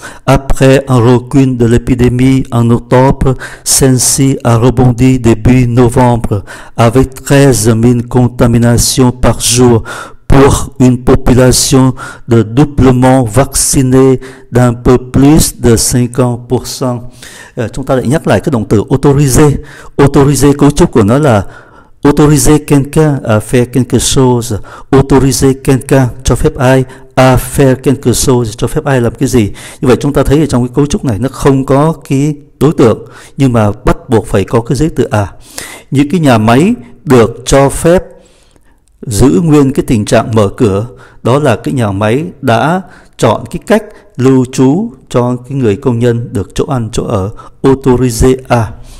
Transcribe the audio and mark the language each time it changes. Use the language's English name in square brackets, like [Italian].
[French] Après un recul de l'épidémie en octobre, celle-ci a rebondi début novembre avec 13 000 contaminations par jour pour une population de doublement vaccinée d'un peu plus de 50%. [Vietnamese] Chúng ta lại nhắc lại cái động từ autoriser. Autoriser, cấu trúc của nó là [French] autoriser quelqu'un à faire quelque chose. Autoriser quelqu'un, [Vietnamese] cho phép ai [French] à faire quelque chose, [Vietnamese] cho phép ai làm cái gì. Như vậy chúng ta thấy ở trong cái cấu trúc này nó không có cái đối tượng, nhưng mà bắt buộc phải có cái giấy từ à. Những cái nhà máy được cho phép giữ nguyên cái tình trạng mở cửa, đó là cái nhà máy đã chọn cái cách lưu trú cho cái người công nhân được chỗ ăn chỗ ở, autoriser à.